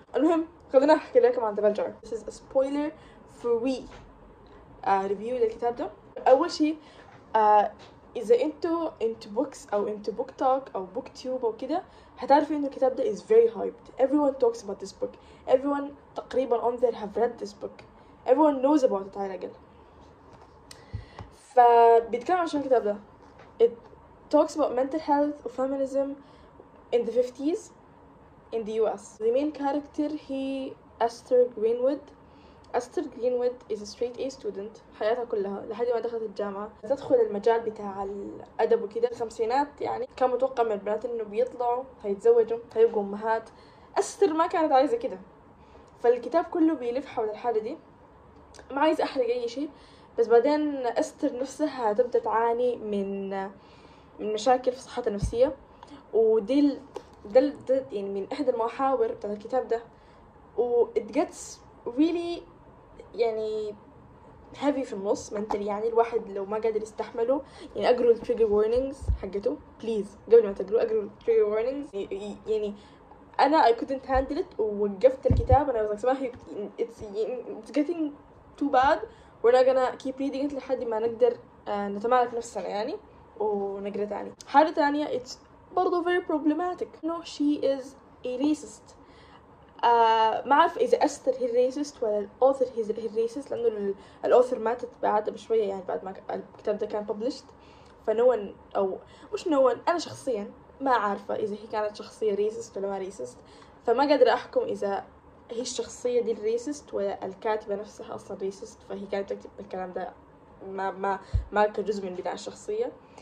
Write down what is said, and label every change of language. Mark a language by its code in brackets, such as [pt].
[ar] المهم خلينا احكي لكم عن ذا بيل جار. [en] This is a spoiler free review [ar] للكتاب ده. اول شيء اذا انتو [en] into books [ar] او [en] into book talk [ar] او book tube او كده، هتعرفي انه الكتاب ده [en] is very hyped. Everyone talks about this book. Everyone [ar] تقريبا [en] on there have read this book. Everyone knows about it. [ar] فبيتكلم عن شو الكتاب ده. [en] It talks about mental health and feminism in the 50s in the US. The main character [ar] هي [en] Esther Greenwood. [ar] أستر غرينوود [en] is a straight A student [ar] حياتها كلها لحد ما دخلت الجامعة. تدخل المجال بتاع الأدب وكده الخمسينات، يعني كان متوقع من البنات إنه بيطلعوا هيتزوجوا هيبقوا أمهات. أستر ما كانت عايزة كده، فالكتاب كله بيلف حول الحالة دي. ما عايز أحرق أي شيء، بس بعدين أستر نفسها تبدأ تعاني من مشاكل في صحتها النفسية، ودي دل يعني من إحدى المحاور بتاع الكتاب ده. و [en] it gets really [ar] يعني heavy في النص [en] mentally، [ar] يعني الواحد لو ما قادر يستحمله يعني اقروا trigger warnings حقته. please قبل ما تقروا اقروا trigger warnings. يعني انا [en] I couldn't handle it [ar] ووقفت الكتاب. [en] انا was like سماحي it's getting too bad، we're not gonna keep reading it [ar] لحد ما نقدر نتمالك نفسنا يعني ونقرأ تاني. حالة تانية it's برضو [en] very problematic. no she is a racist. [ar] ما عارف إذا أستر هي الريسست ولا الأوثر هي الريسست، لأنه الأوثر ماتت بعد بشوية، يعني بعد ما الكتاب ده كان ببلشت. فنون أو مش نون، أنا شخصيا ما عارفة إذا هي كانت شخصية ريسست ولا ما ريسست، فما قادر أحكم إذا هي الشخصية دي الريسست ولا الكاتبة نفسها أصلا ريسست، فهي كانت تكتب الكلام ده ما ما ما كجزء من بناء الشخصية.